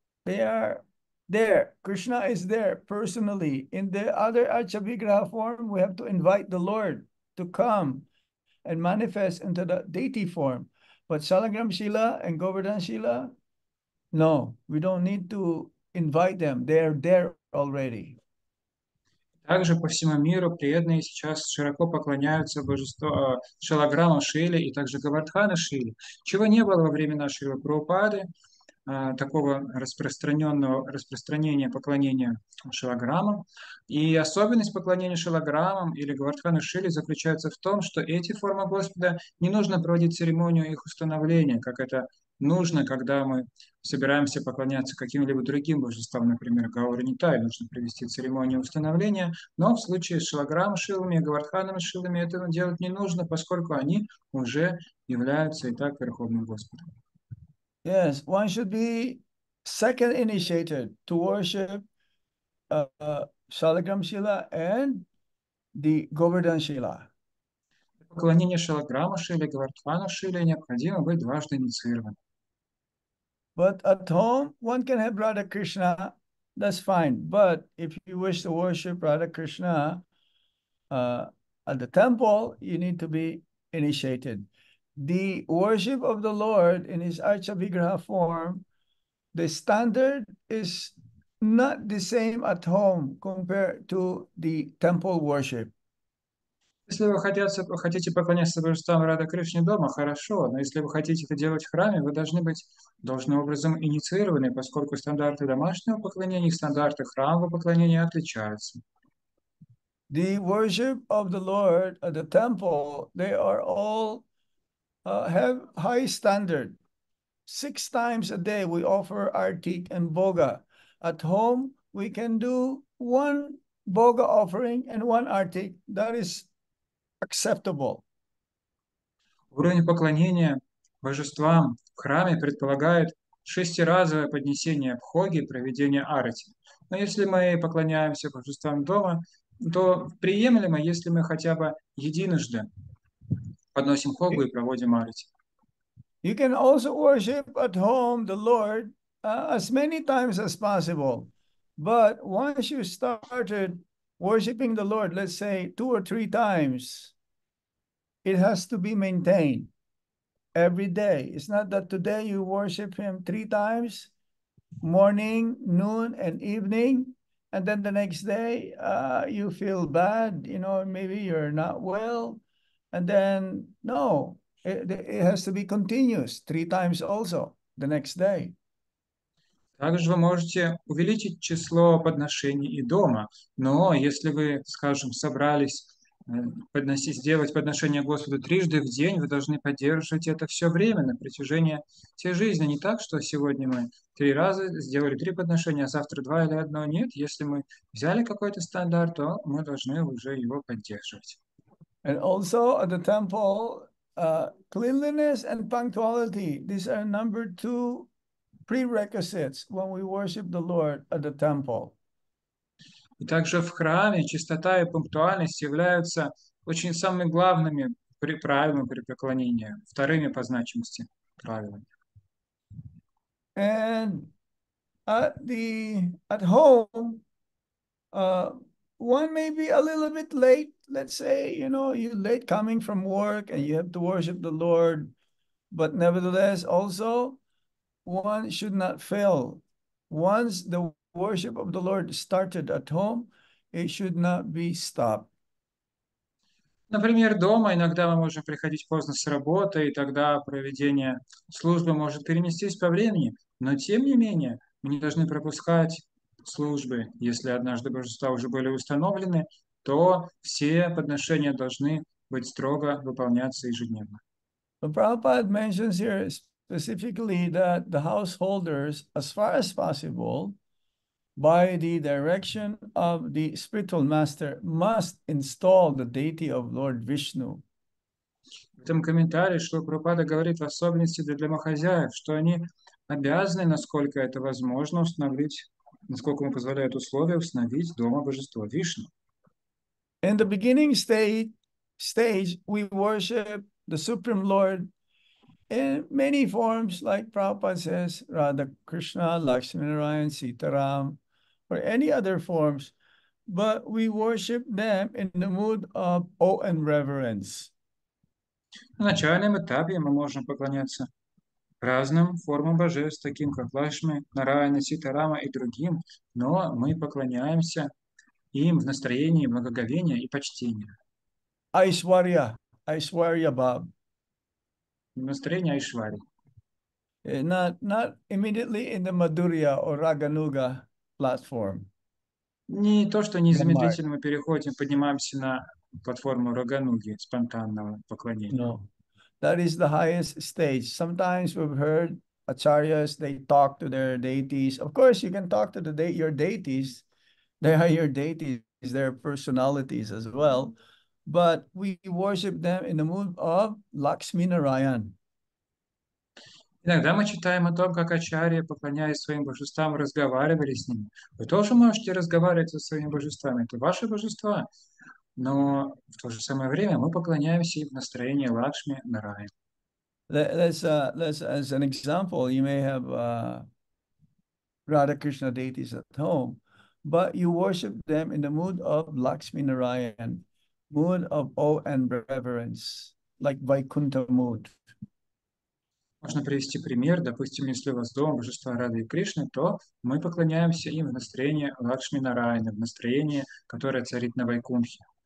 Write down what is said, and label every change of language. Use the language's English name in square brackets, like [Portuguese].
[English] They are there. Krishna is there personally. In the other Archavigraha form, we have to invite the Lord to come and manifest into the deity form. But Salagram Shila and Govardhan Shila, no, we don't need to invite them. They are there already. [Russian] Также по всему миру преданные сейчас широко поклоняются божеству Шалаграма Шили и также Гавардхана Шили, чего не было во время нашего Прабхупады, такого распространенного распространения поклонения Шалаграмам. И особенность поклонения Шалаграмам или Гавардхана Шили заключается в том, что эти формы Господа не нужно проводить церемонию их установления, как это нужно, когда мы собираемся поклоняться каким-либо другим божествам, например, Гаури Нитай, нужно провести церемонию установления, но в случае с Шилограмм Шилами и Гавардханом Шилами этого делать не нужно, поскольку они уже являются и так Верховным Господом. [English] Yes, one should be second initiated to worship Shalagram Shila and the Govardhan Shila. [Russian] Поклонение Шилограмма Шили и Гавардхана Шили необходимо быть дважды инициированным. [English] But at home, one can have Radha Krishna, that's fine. But if you wish to worship Radha Krishna at the temple, you need to be initiated. The worship of the Lord in his Archavigraha form, the standard is not the same at home compared to the temple worship. [Russian] Если вы хотите поклоняться божествам Рада Кришне дома, хорошо, но если вы хотите это делать в храме, вы должны быть должным образом инициированы, поскольку стандарты домашнего поклонения и стандарты храмового поклонения отличаются. [English] The worship of the Lord at the temple, they are all have high standard. Six times a day we offer artik and boga. At home we can do one boga offering and one artik. That is acceptable. [Russian] Уровень поклонения божествам в храме предполагает шестиразовое поднесение бхоги, проведение арати. Но если мы поклоняемся божествам дома, то приемлемо, если мы хотя бы единожды подносим бхогу и проводим арати. [English] You can also worship at home the Lord as many times as possible. But once you started worshiping the Lord, let's say two or three times, it has to be maintained every day. It's not that today you worship him three times, morning, noon, and evening, and then the next day you feel bad, you know, maybe you're not well, and then, no, it has to be continuous three times also the next day. [Russian] Также вы можете увеличить число подношений и дома, но если вы, скажем, собрались сделать подношение Господу трижды в день, вы должны поддерживать это все время на протяжении всей жизни. Не так, что сегодня мы три раза сделали три подношения, а завтра два или одно. Нет, если мы взяли какой-то стандарт, то мы должны уже его поддерживать. [English] And also at the temple, cleanliness and punctuality, these are number two prerequisites when we worship the Lord at the temple. [Russian] И также в храме чистота и пунктуальность являются очень самыми главными правилами при поклонении, вторыми по значимости правилами. [English] And at home, one may be a little bit late. Let's say, you know, you're late coming from work and you have to worship the Lord. But nevertheless, also, one should not fail. Once the worship of the Lord started at home, it should not be stopped. [Russian] Например, дома иногда мы можем приходить поздно с работы, и тогда проведение службы может переместись по времени. Но, тем не менее, мы не должны пропускать службы. Если однажды божества уже были установлены, то все подношения должны быть строго выполняться ежедневно. [English] Prabhupada mentions here specifically that the householders, as far as possible, by the direction of the spiritual master, must install the deity of Lord Vishnu. [Russian] В этом комментарии, что Прабхупада говорит в особенности для домохозяев, что они обязаны, насколько это возможно, установить, насколько ему позволяют условия, установить дома божество Вишну. [English] In the beginning stage, we worship the Supreme Lord in many forms, like Prabhupada says, Radha Krishna, Lakshmi Narayan, Sitaram, or any other forms, but we worship them in the mood of awe and reverence. [Russian] На начальном этапе мы можем поклоняться разным формам божеств, таким как Лакшми, Нараяна, Ситарама и другим, но мы поклоняемся им в настроении благоговения и почтения. Айшварья, Айшварья Баб. В настроении Айшвари. [English] Not immediately in the Madhurya or Raganuga platform. [Russian] Не то, что незамедлительно мы переходим, поднимаемся на платформу Рагануги, спонтанного поклонения. [English] No. That is the highest stage. Sometimes we've heard acharyas, they talk to their deities. Of course, you can talk to the your deities. They are your deities, their personalities as well. But we worship them in the mood of Lakshmi Narayan. [Russian] Иногда мы читаем о том, как ачарьи, поклоняясь своим божествам, разговаривали с ними. Вы тоже можете разговаривать со своими божествами. Это ваши божества. Но в то же самое время мы поклоняемся им в настроении Лакшми Нараяна. [English] As an example, you may have Radha Krishna deities at home, but you worship them in the mood of Lakshmi Narayan, mood of awe and reverence, like Vaikuntha mood. [Russian] Можно привести пример. Допустим, если у вас дома божество Рады и Кришны, то мы поклоняемся им в настроении Лакшми Нараяна, в настроении, которое царит на Вайкунхе.